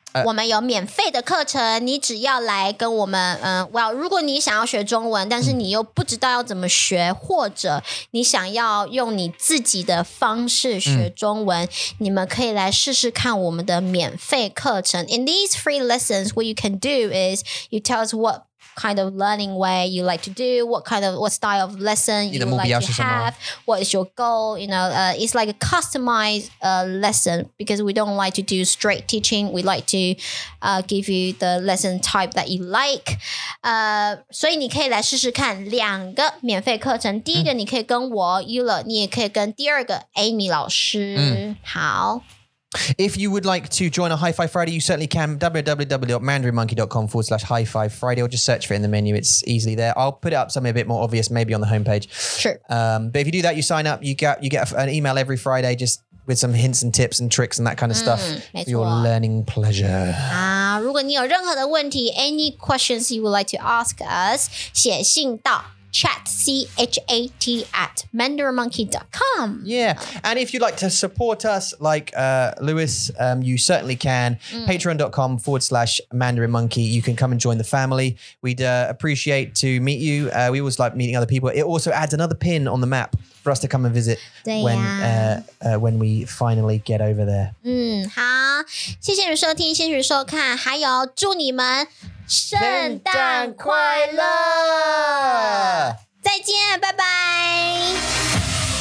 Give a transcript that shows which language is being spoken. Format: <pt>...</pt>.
<zh>我们有免费的课程，你只要来跟我们，如果你想要学中文，但是你又不知道要怎么学，或者你想要用你自己的方式学中文，你们可以来试试看我们的免费课程。</zh> <en>In these free lessons, what you can do is you tell us what kind of learning way you like to do, what style of lesson you would like to have, what is your goal, you know, it's like a customized lesson because we don't like to do straight teaching, we like to give you the lesson type that you like.</en> <zh>所以你可以来试试看两个免费课程，第一个你可以跟我Yula，你也可以跟第二个Amy老师，好。</zh> <en>If you would like to join a High Five Friday, you certainly can. www.mandarinmonkey.com/High5Friday or just search for it in the menu. It's easily there. I'll put it up somewhere a bit more obvious, maybe on the homepage. Sure. But if you do that, you sign up, you get an email every Friday just with some hints and tips and tricks and that kind of stuff for your learning pleasure.</en> <zh>如果你有任何的问题,</zh> <en>any questions you would like to ask us,</en> <zh>写信到chat@mandarinmonkey.com.</zh> <en>Yeah. And if you'd like to support us like Lewis, you certainly can. patreon.com/mandarinmonkey. You can come and join the family. We'd appreciate to meet you. We always like meeting other people. It also adds another pin on the map for us to come and visit when we finally get over there.</en> <zh>好，谢谢你收听，谢谢你收看，还有祝你们圣诞快乐！再见，拜拜。</zh>